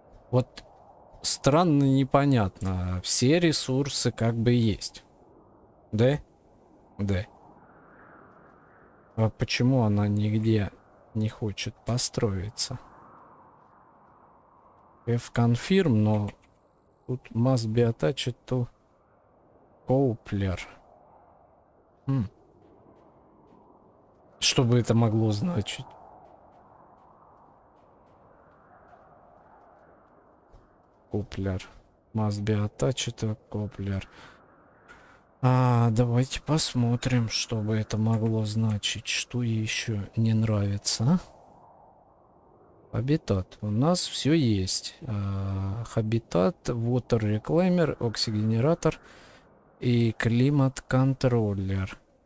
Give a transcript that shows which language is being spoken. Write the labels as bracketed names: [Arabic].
[Russian] Вот странно, непонятно. Все ресурсы как бы есть. Да? Да. А почему она нигде не хочет построиться? [English] F confirm, [Russian] но тут [English] must be attached to Coupler. [Russian] Что бы это могло значить? Коплер. [English] Must be attached to Coupler. [Russian] А, давайте посмотрим, что бы это могло значить. Что еще не нравится? Хабитат. У нас все есть. Хабитат, Water Reclaimer, Оксигенератор и Климат Контроллер.